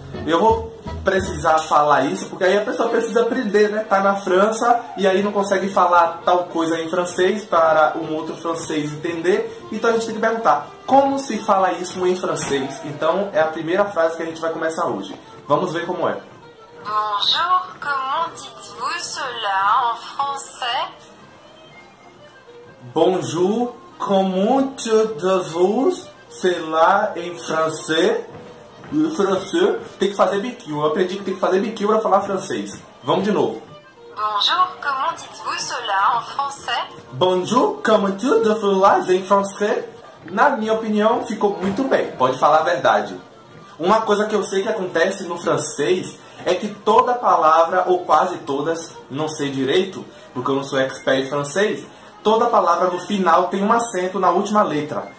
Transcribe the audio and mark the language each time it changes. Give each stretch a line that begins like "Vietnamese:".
Portuguese: Eu vou precisar falar isso, porque aí a pessoa precisa aprender, né? Tá na França e aí não consegue falar tal coisa em francês para um outro francês entender. Então a gente tem que perguntar, como se fala isso em francês? Então é a primeira frase que a gente vai começar hoje. Vamos ver como é.
French: Bonjour, comment dites-vous cela en français? Bonjour, comment dites-vous cela en français? Le français,
Portuguese: tem que fazer biquinho. Eu aprendi que tem que fazer biquinho para falar francês. Vamos de novo. Bonjour, comment dites-vous cela en français? Bonjour, comment dites-vous cela en français? Na minha opinião, ficou muito bem. Pode falar a verdade. Uma coisa que eu sei que acontece no francês é que toda palavra, ou quase todas, não sei direito, porque eu não sou expert em francês, toda palavra no final tem um acento na última letra.